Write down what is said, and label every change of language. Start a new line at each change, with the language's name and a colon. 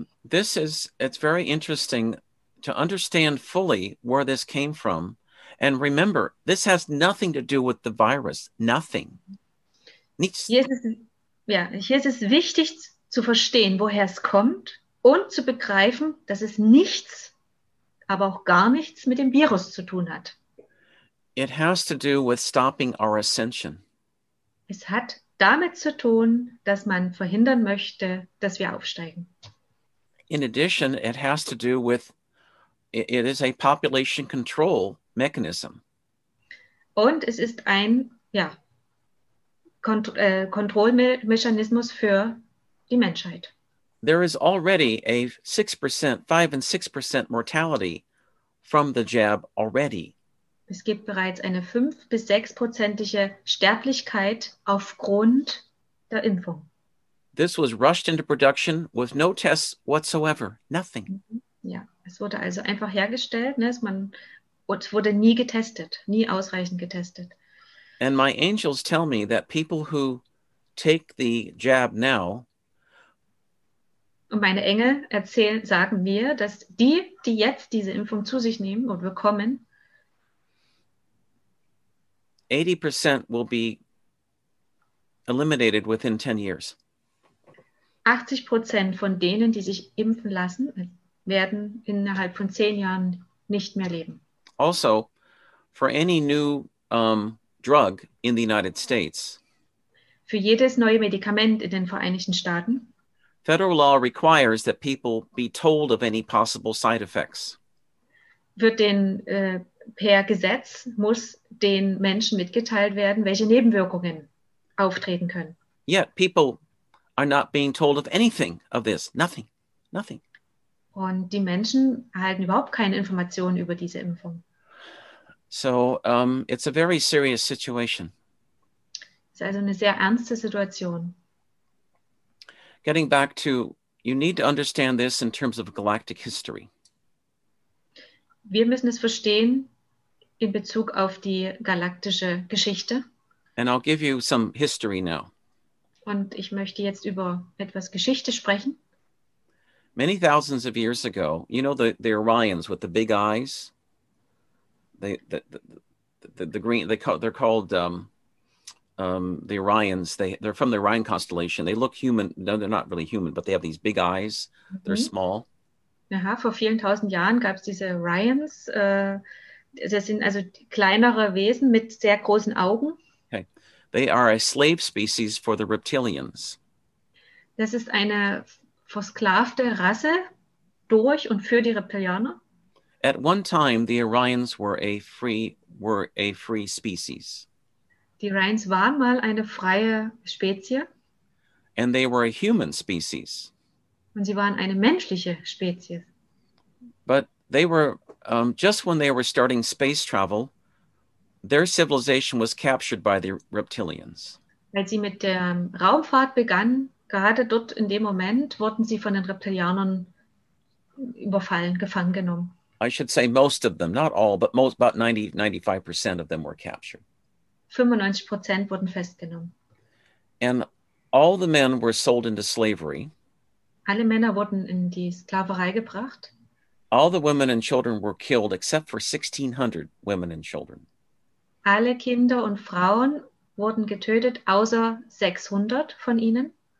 English: This is, it's very interesting to understand fully where this came from. And remember, this has nothing to do with the virus. Nothing.
German: Nichts. Hier ist es wichtig zu verstehen, woher es kommt und zu begreifen, dass es nichts, aber auch gar nichts mit dem Virus zu tun hat.
English: It has to do with stopping our ascension.
German: Es hat damit zu tun, dass man verhindern möchte, dass wir aufsteigen.
English: In addition, it has to do with, it is a population control mechanism.
German: Und es ist ein, Kontrollmechanismus für die Menschheit.
English: There is already a 6%, 5 and 6% mortality from the jab already.
German: Es gibt bereits eine 5-6%ige Sterblichkeit aufgrund der Impfung.
English: This was rushed into production with no tests whatsoever, nothing.
German: Ja, es wurde also einfach hergestellt, ne? Es wurde nie getestet, nie ausreichend getestet.
English: And my angels tell me that people who take the jab now.
German: Und meine Engel erzählen, sagen mir, dass die, die jetzt diese Impfung zu sich nehmen und bekommen,
English: 80% will be eliminated within 10 years.
German: 80% von denen, die sich impfen lassen, werden innerhalb von 10 Jahren nicht mehr leben.
English: Also, for any new drug in the United States.
German: Für jedes neue Medikament in den Vereinigten Staaten.
English: Federal law requires that people be told of any possible side effects.
German: Wird den per Gesetz muss den Menschen mitgeteilt werden, welche Nebenwirkungen auftreten können.
English: Yet people are not being told of anything of this. Nothing. Nothing.
German: Und die Menschen erhalten überhaupt keine Informationen über diese Impfung.
English: So it's a very serious situation.
German: Es ist also eine sehr ernste Situation.
English: Getting back to, you need to understand this in terms of galactic history.
German: Wir müssen es verstehen in Bezug auf die galaktische Geschichte.
English: And I'll give you some history now.
German: Und ich möchte jetzt über etwas Geschichte sprechen.
English: Many thousands of years ago, you know the Orions with the big eyes? The green, they're called the Orions. They're from the Orion constellation. They look human. No, they're not really human, but they have these big eyes. Mm-hmm. They're small.
German: Aha, vor vielen tausend Jahren gab es diese Orions. Das sind also kleinere Wesen mit sehr großen Augen.
English: Okay. They are a slave species for the reptilians.
German: Das ist eine versklavte Rasse durch und für die Reptilianer.
English: At one time, the Orions were a free species.
German: Die Orions waren mal eine freie Spezies.
English: And they were a human species.
German: Und sie waren eine menschliche Spezies.
English: But they were, just when they were starting space travel, their civilization was captured by the reptilians.
German: Weil sie mit der Raumfahrt begann, gerade dort in dem Moment, wurden sie von den Reptilianern überfallen, gefangen genommen.
English: I should say most of them, not all, but most, about 90-95% of them were captured.
German: 95% wurden festgenommen.
English: And all the men were sold into slavery.
German: Alle Männer wurden in die Sklaverei gebracht.
English: All the women and children were killed except for 1600 women and children.
German: Alle Kinder und Frauen wurden getötet, außer 600 von ihnen.